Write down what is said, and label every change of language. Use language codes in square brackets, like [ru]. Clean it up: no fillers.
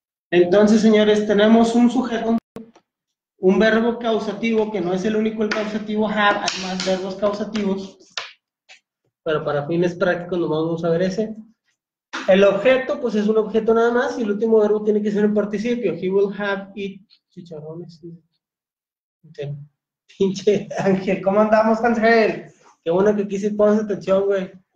[es] Entonces, señores, tenemos un sujeto, un verbo causativo, que no es el único el causativo have, hay más verbos causativos, pero para fines prácticos no vamos a ver ese. El objeto, pues es un objeto nada más, y el último verbo tiene que ser el participio. [en] He will have eat chicharrones. Okay. [es] Pinche Ángel, ¿cómo andamos, Ángel? Qué bueno que quise poner atención, güey.